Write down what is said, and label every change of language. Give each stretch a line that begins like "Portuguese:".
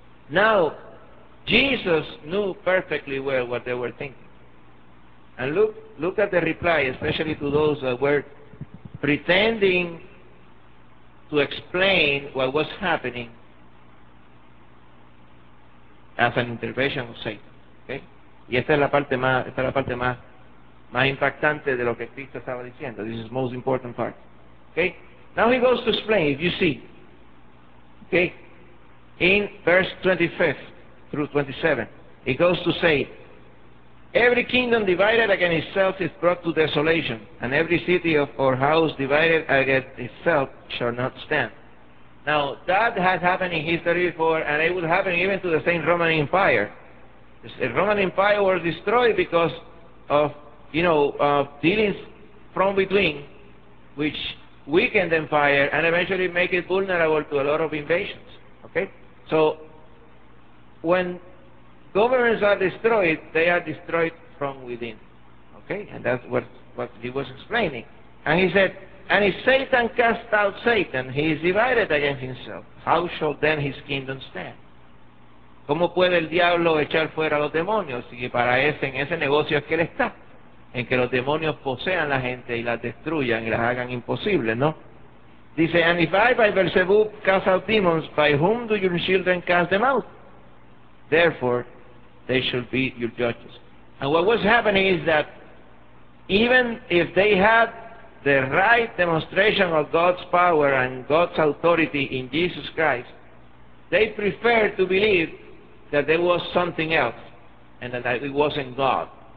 English: Now, Jesus knew perfectly well what they were thinking. And look at the reply, especially to those that were pretending to explain what was happening as an intervention of Satan. Okay?
Spanish: Y esta es la parte más impactante de lo que Cristo estaba diciendo.
English: This is the most important part. Okay? Now he goes to explain, if you see. Okay? In verse 25 through 27, he goes to say, every kingdom divided against itself is brought to desolation, and every city or house divided against itself shall not stand. Now, that has happened in history before, and it will happen even to the same Roman Empire. The Roman Empire was destroyed because of, you know, dealings from between, which weakened the empire and eventually make it vulnerable to a lot of invasions. Okay? So, when governments are destroyed, they are destroyed from within. Okay? And that's what he was explaining. And he said, and if Satan cast out Satan, he is divided against himself. How shall then his kingdom stand?
Spanish: ¿Cómo puede el diablo echar fuera a los demonios? Y para ese, en ese negocio es que él está. En que los demonios posean la gente y las destruyan y las hagan imposibles, ¿no? Dice,
English: and if I by Beelzebub cast out demons, by whom do your children cast them out? Therefore, they should be your judges. And what was happening is that even if they had the right demonstration of God's power and God's authority in Jesus Christ, they preferred to believe that there was something else and that it wasn't God.